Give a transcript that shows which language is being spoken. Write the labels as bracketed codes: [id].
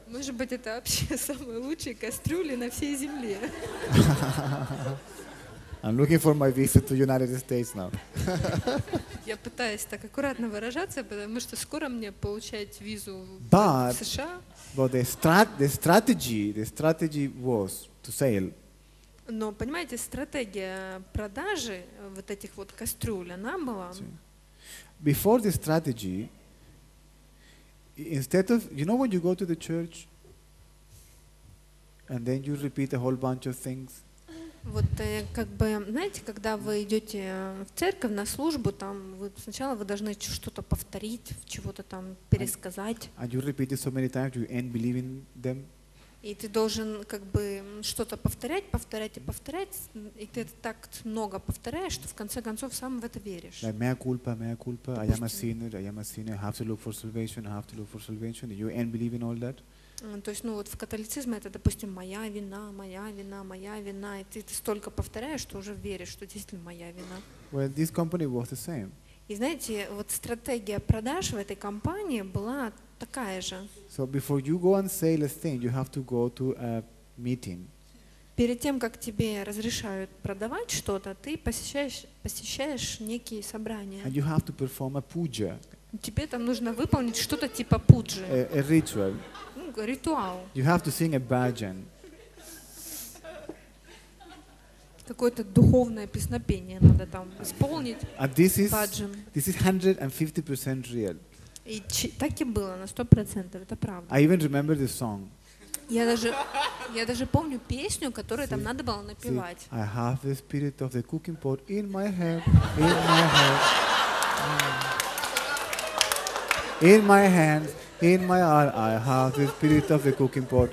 [ru] Может быть, это вообще самые лучшие кастрюли на всей земле. [en] I'm looking for my visa to United States now. [ru] Я пытаюсь так аккуратно выражаться, потому что скоро мне получать визу в США. [en] But the strategy was to sell. [ru] Но понимаете, стратегия продажи вот этих вот кастрюль, она была. [en] Before the strategy. Instead of, you know, when you go to the church and then you repeat a whole bunch of things. [ru] Вот как бы, знаете, когда вы идете в церковь на службу, там вы сначала вы должны что-то повторить, чего-то там пересказать. [en] And you repeat it so many times, you end believing them. [ru] И ты должен как бы что-то повторять, и ты это так много повторяешь, что в конце концов сам в это веришь. [en] Like, mea culpa, I am a sinner, I have to look for salvation, and you end believing all that. [ru] То есть, ну вот в католицизме это, допустим, моя вина, моя вина, моя вина, и ты столько повторяешь, что уже веришь, что действительно моя вина. [en] Well, this company was the same. [ru] И знаете, вот стратегия продаж в этой компании была такая же. [en] So before you go and say a thing, you have to go to a meeting. [ru] Перед тем, как тебе разрешают продавать что-то, ты посещаешь некие собрания. [en] And you have to perform a puja. [ru] Тебе там нужно выполнить что-то типа пуджи. [en] A ritual. [ru] Ритуал. [en] You have to sing a bhajan. [ru] Какое-то духовное песнопение надо там исполнить. [en] And this is 150% real. [ru] И так и было на 100%, это правда. [en] I even remember the song. [ru] Я даже помню песню, которую там надо было напевать. [en] See, I have the spirit of the cooking pot in my head, in my head. In my hands, in my heart, I have the spirit of the cooking pot.